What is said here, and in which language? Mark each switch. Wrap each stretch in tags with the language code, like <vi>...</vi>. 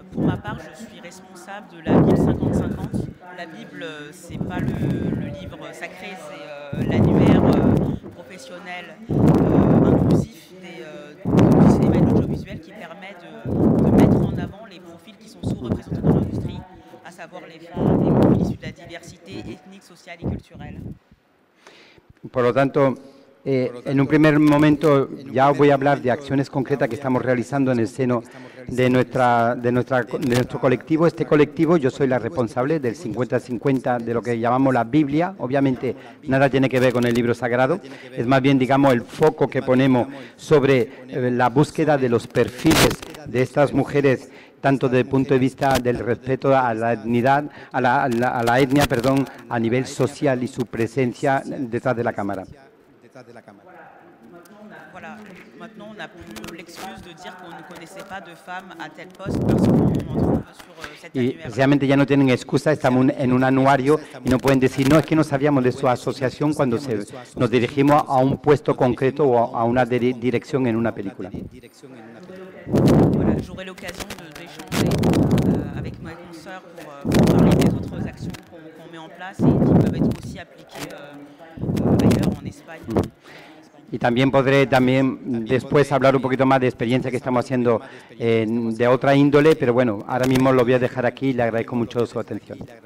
<fr>Pour ma part, je suis responsable de la Bible 50-50. La Bible, ce n'est pas le livre sacré, c'est l'annuaire professionnel inclusif du cinéma et de l'audiovisuel qui permet de mettre en avant les profils qui sont sous-représentés dans l'industrie, à savoir les femmes, les profils issus de la diversité ethnique, sociale et culturelle.</fr> <es>Por lo tanto, en un primer momento ya voy a hablar de acciones concretas que estamos realizando en el seno de nuestro colectivo. Este colectivo, yo soy la responsable del 50-50, de lo que llamamos la Biblia. Obviamente nada tiene que ver con el libro sagrado, es más bien, digamos, el foco que ponemos sobre la búsqueda de los perfiles de estas mujeres, tanto desde el punto de vista del respeto a la etnidad, a la etnia, perdón, a nivel social y su presencia detrás de la cámara. De la cámara.</es> <fr>Voilà, maintenant on n'a plus l'excuse de dire qu'on ne connaissait pas de femmes à tel poste parce qu'on en trouve sur cette annuaire.</fr> <es>Y precisamente ya no tienen excusa, estamos en un anuario y no pueden decir, no, es que no sabíamos de su asociación cuando nos dirigimos a un puesto concreto o a una dirección en una película.</es> <fr>Voilà, j'aurai l'occasion d'échanger avec ma consoeur pour parler des autres actions qu'on met en place et qui peuvent être aussi appliquées ailleurs en Espagne.</fr> <es>Y también podré también después hablar un poquito más de experiencia que estamos haciendo de otra índole, pero bueno, ahora mismo lo voy a dejar aquí y le agradezco mucho su atención.</es>